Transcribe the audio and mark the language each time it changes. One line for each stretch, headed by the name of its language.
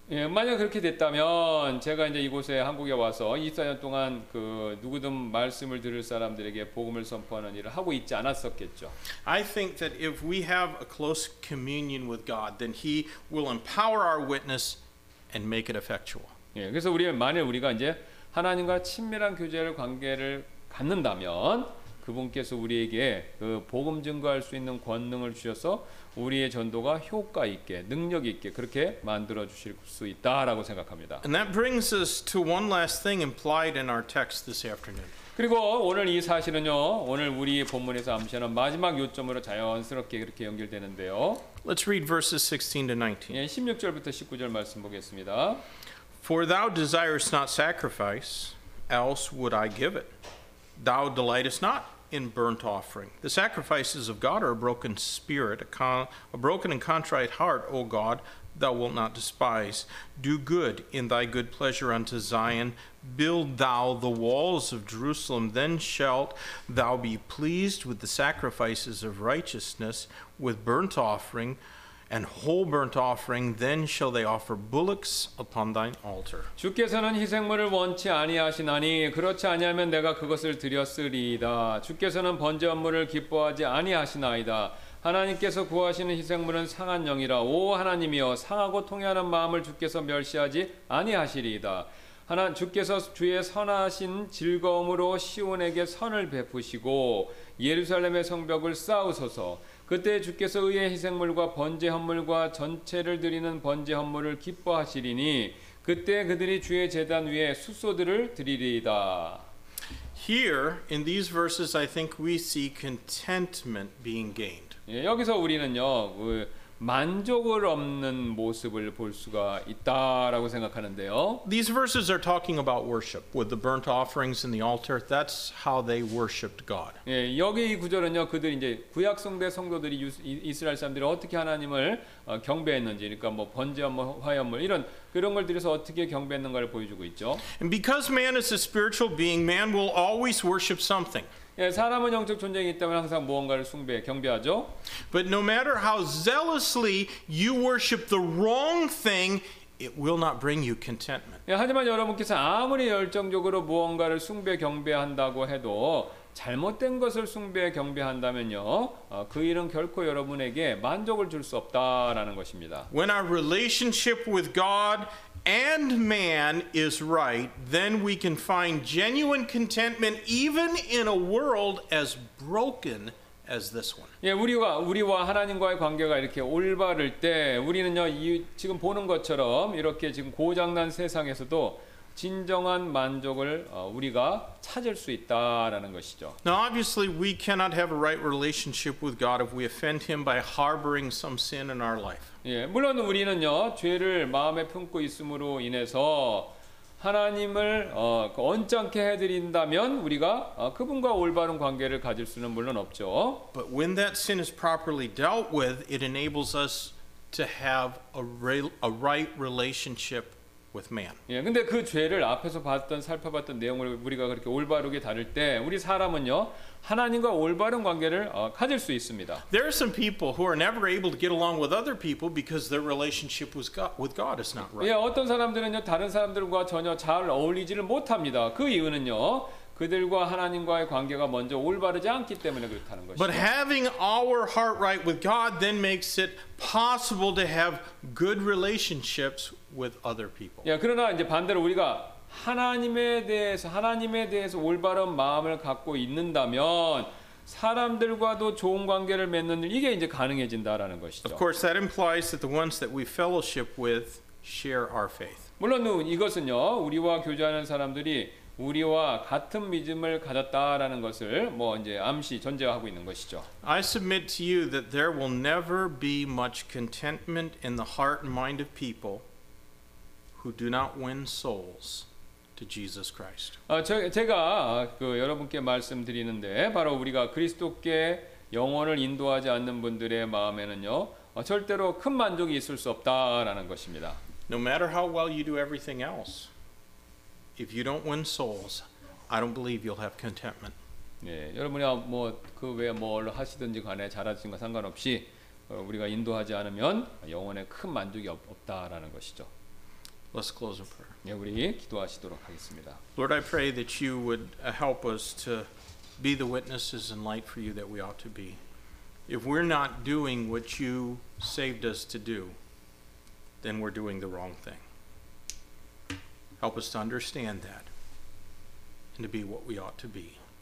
Korean: 예, 만약 그렇게 됐다면 제가 이제 이곳에 한국에 와서 24년 동안 그 누구든 말씀을 들을 사람들에게 복음을 선포하는 일을 하고 있지 않았었겠죠.
English: I think that if we have a close communion with God, then he will empower our witness and make it effectual.
Korean: 예, 그래서 우리 만약 우리가 이제 하나님과 친밀한 교제를 관계를 갖는다면 그분께서 우리에게 그 복음 증거할 수 있는 권능을 주셔서 우리의 전도가 효과 있게 능력 있게 그렇게 만들어 주실 수 있다라고 생각합니다.
English: And that brings us to one last thing implied in our text this afternoon.
Korean: 그리고 오늘 이 사실은요. 오늘 우리 본문에서 암시하는 마지막 요점으로 자연스럽게 그렇게 연결되는데요.
English: Let's read verses 16 to 19.
Korean: 예, 16절부터 19절 말씀 보겠습니다.
English: For thou desirest not sacrifice, else would I give it. Thou delightest not in burnt offering. The sacrifices of God are a broken spirit, a broken and contrite heart, O God, thou wilt not despise. Do good in thy good pleasure unto Zion. Build thou the walls of Jerusalem. Then shalt thou be pleased with the sacrifices of righteousness, with burnt offering and whole burnt offering. Then shall they offer bullocks upon thine altar.
Korean: 주께서는 희생물을 원치 아니하시나니 그렇지 아니하면 내가 그것을 드렸으리이다. 주께서는 번제물을 기뻐하지 아니하시나이다. 하나님께서 구하시는 희생물은 상한 영이라. 오 하나님이여, 상하고 통회하는 마음을 주께서 멸시하지 아니하시리이다. 주께서 주의 선하신 즐거움으로 시온에게 선을 베푸시고 예루살렘의 성벽을 쌓으소서. 그때 주께서 의의 희생물과 번제 헌물과 전체를 드리는 번제 헌물을 기뻐하시리니 그때 그들이 주의 제단 위에 숫소들을 드리리이다.
English: Here in these verses I think we see contentment being gained.
Korean: 예, 여기서 우리는요. 그 만족을 얻는 모습을 볼 수가 있다라고 생각하는데요.
English: These verses are talking about worship with the burnt offerings and the altar. That's how they worshiped God.
Korean: 예, 여기 이 구절은요. 그들 이제 구약 성대 성도들이 이스라엘 사람들이 어떻게 하나님을 경배했는지 그러니까 뭐 번제와 뭐 화염물 이런 그런 걸 들여서 어떻게 경배했는가를 보여주고 있죠.
English: And because man is a spiritual being, man will always worship something.
Korean: 예, 사람은 영적 존재이기 때문에 항상 무언가를 숭배, 경배하죠.
English: But no matter how zealously you worship the wrong thing, it will not bring you contentment.
Korean: 예, 하지만 여러분께서 아무리 열정적으로 무언가를 숭배, 경배한다고 해도 잘못된 것을 숭배, 경배한다면요, 그 일은 결코 여러분에게 만족을 줄 수 없다라는 것입니다.
English: When our relationship with God and man is right, then we can find genuine contentment even in a world as broken as this one.
Korean: 예, 우리와 하나님과의 관계가 이렇게 올바를 때 우리는요, 이 지금 보는 것처럼 이렇게 지금 고장난 세상에서도 진정한 만족을 우리가 찾을 수 있다라는 것이죠.
English: Now obviously we cannot have a right relationship with God if we offend him by harboring some sin in our life.
Korean: 예, 물론 우리는요, 죄를 마음에 품고 있음으로 인해서 하나님을 언짢게 해드린다면 우리가 그분과 올바른 관계를 가질 수는 물론 없죠.
English: But when that sin is properly dealt with, it enables us to have a right relationship with man.
Korean: 예, 근데 그 죄를 앞에서 봤던 살펴봤던 내용을 우리가 그렇게 올바르게 다룰 때 우리 사람은요 하나님과 올바른 관계를 가질 수 있습니다.
English: There are some people who are never able to get along with other people because their relationship with God is not right.
Korean: 예, 어떤 사람들은요 다른 사람들과 전혀 잘 어울리지를 못합니다. 그 이유는요 그들과 하나님과의 관계가 먼저 올바르지 않기 때문에 그렇다는 것이죠.
English: But having our heart right with God then makes it possible to have good relationships with other people.
Korean: 예, 그러나 이제 반대로 우리가 하나님에 대해서 올바른 마음을 갖고 있는다면 사람들과도 좋은 관계를 맺는 일 이게 이제 가능해진다라는 것이죠.
English: Of course, that implies that the ones that we fellowship with share our faith.
Korean: 물론 이것은요 우리와 교제하는 사람들이 우리와 같은 믿음을 가졌다라는 것을 뭐 이제 암시 전제하고 있는 것이죠.
English: I submit to you that there will never be much contentment in the heart and mind of people who do not win souls to Jesus Christ.
Korean: 제가 그 여러분께 말씀드리는데 바로 우리가 그리스도께 영혼을 인도하지 않는 분들의 마음에는요 절대로 큰 만족이 있을 수 없다라는 것입니다.
English: No matter how well you do everything else, if you don't win souls, I don't believe you'll have contentment.
Korean: 예, 여러분이 뭐 그 외에 뭘 하시든지 간에 잘하시든 간 상관없이 우리가 인도하지 않으면 영혼에 큰 만족이 없다라는 것이죠.
English: Let's close in prayer.
Korean: 예, 우리 기도하시도록 하겠습니다.
English: Lord, I pray that you would help us to be the witnesses and light for you that we ought to be. If we're not doing what you saved us to do, then we're doing the wrong thing. Help us to understand that and to be what we ought to be.